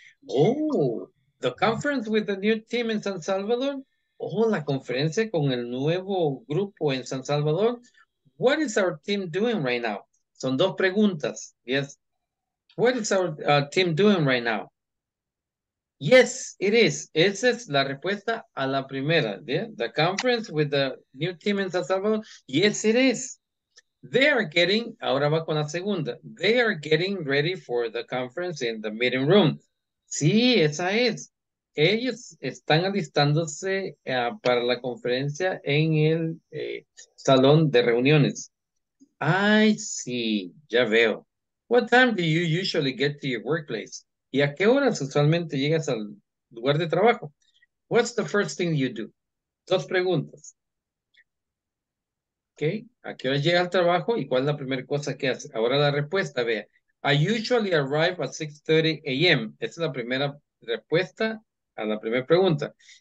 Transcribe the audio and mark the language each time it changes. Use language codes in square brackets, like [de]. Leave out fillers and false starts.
[en] Oh, the conference with the new team in San Salvador? [es] Oh, la conferencia con el nuevo grupo en San Salvador? [en] What is our team doing right now? [es] Son dos preguntas. [en] Yes. What is our team doing right now? Yes, it is. [es] Esa es la respuesta a la primera. [en] Yeah? The conference with the new team in San Salvador. Yes, it is. They are getting, [es] ahora va con la segunda. [en] They are getting ready for the conference in the meeting room. [es] Sí, esa es. Ellos están alistándose para la conferencia en el salón de reuniones. [en] I see. [es] Ya veo. [en] What time do you usually get to your workplace? [es] ¿Y a qué horas usualmente llegas al lugar de trabajo? [en] What's the first thing you do? [es] Dos preguntas. [en] Okay. [es] ¿A qué hora llega al trabajo y cuál es la primera cosa que hace? Ahora la respuesta, vea. [en] I usually arrive at 6:30 a.m. [es] Esa es la primera respuesta a la primera pregunta.